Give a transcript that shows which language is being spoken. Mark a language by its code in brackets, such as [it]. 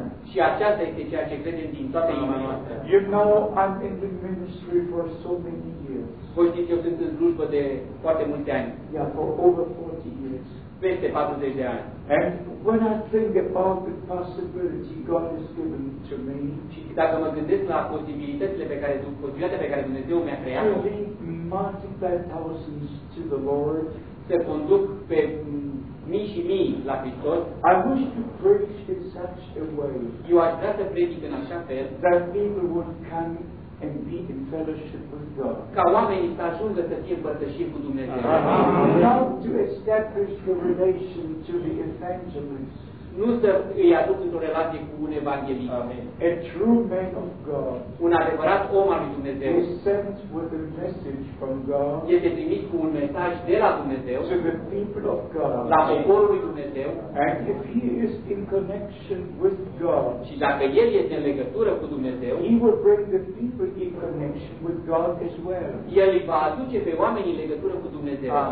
[ro] Și aceasta este ceea ce credem din toată inima noastră. [en] You know, I'm in the ministry for so many years. [ro] Voi știți, eu sunt în slujbă de foarte multe ani. [en] Yeah, for over 40 years. [ro] Peste 40 de ani. [en] And when I think about the possibility God has given to me, [ro] și dacă mă gândesc la posibilitățile pe care Dumnezeu mi-a creat, [en] to lead multiple thousands to the Lord, [ro] să conduc pe mii și mii la Hristos, [en] I wish to preach in such a way, [ro] eu aș vrea să predic în așa fel, [en] that people would come and be in fellowship with God. [ro] Ca oamenii să ajungă să fie împărtășiri cu Dumnezeu. [en] Not to establish the relation to the evangelist. [ro] Nu să îi aduc într-o relație cu un evanghelist. [en] A true man of God. [ro] Un adevărat om al lui Dumnezeu. [en] Is sent with a message from God. [ro] Este trimis cu un mesaj de la Dumnezeu. [en] To the people of God. [ro] La poporul lui Dumnezeu. [en] And if he is in connection with God. [ro] Și dacă el este în legătură cu Dumnezeu. [en] He will bring the people in connection with God as well. [ro] El îi va aduce pe oameni în legătură cu Dumnezeu.